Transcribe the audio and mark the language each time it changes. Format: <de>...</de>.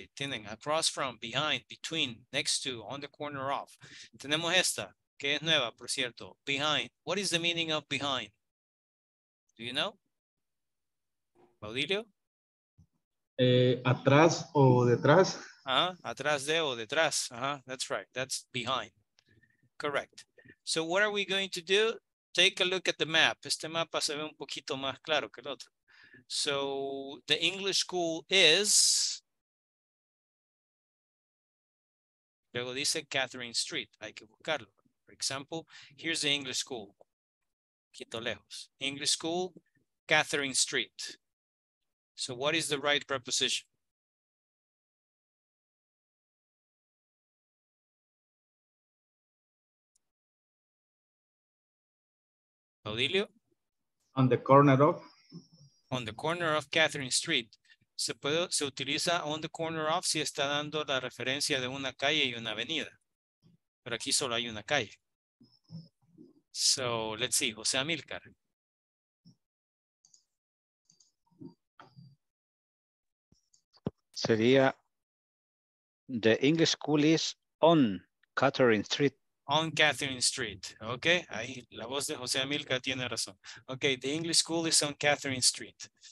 <en>Tienen across, from, behind, between, next to, on the corner of.</en> <es>Tenemos esta, que es nueva, por cierto.</es> <en>Behind. What is the meaning of behind? Do you know? Baudilio?</en> <es>Atrás o detrás. Atrás de o detrás.</es> <en>That's right. That's behind. Correct. So what are we going to do? Take a look at the map.</en> <es>Este mapa se ve un poquito más claro que el otro.</es> <en>So the English school is,</en> <es>luego dice Catherine Street, hay que buscarlo.</es> <en>For example, here's the English school,</en> <es>quito lejos.</es> <en>English school, Catherine Street. So what is the right preposition? Paulilio? On the corner of. On the corner of Catherine Street.</en> <es>Se utiliza</es> <en>on the corner of</en> <es>si está dando la referencia de una calle y una avenida. Pero aquí solo hay una calle.</es> <en>So, let's see. Jose Amilcar.</en> <es>Sería,</es> <en>the English school is on Catherine Street. On Catherine Street, okay.</en> <es>Ahí, la voz de José Amilca tiene razón.</es> <en>Okay, the English school is on Catherine Street.</en>